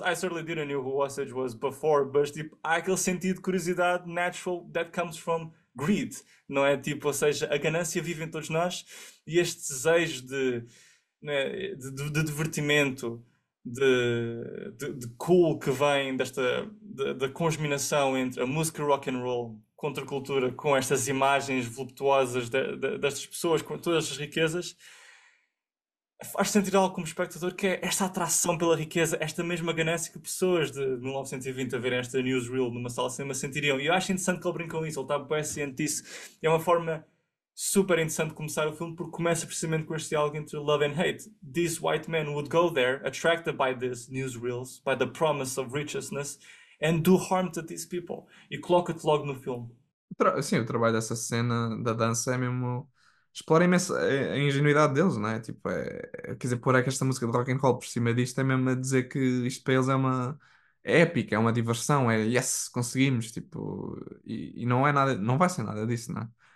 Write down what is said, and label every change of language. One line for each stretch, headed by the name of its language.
English: I certainly didn't know who Osage was before,
Portuguese: mas tipo, há aquele sentido de curiosidade natural
English: that comes from greed,
Portuguese: não é? Tipo, ou seja, a ganância vive em todos nós e este desejo de divertimento, de cool que vem da congeminação entre a música rock and roll contra a cultura com estas imagens voluptuosas destas pessoas com todas as riquezas. Faz sentir algo como espectador, que é esta atração pela riqueza, esta mesma ganância que pessoas de 1920 a verem esta newsreel numa sala de cinema sentiriam. E eu acho interessante que ele brinca com isso, ele está bem ciente disso. É uma forma super interessante de começar o filme, porque começa precisamente com este diálogo entre
English: love and hate. These white men would go there, attracted by these newsreels, by the promise of righteousness, and do harm to these people.
Portuguese: E coloca-te logo no filme. Sim, o trabalho dessa cena da dança é mesmo explora imenso a ingenuidade deles, não é? Tipo, quer dizer, pôr é que esta música de rock and roll por cima disto é mesmo a dizer que isto para eles épica, é uma diversão, é yes, conseguimos, tipo, e não é nada, não vai ser nada disso, não é?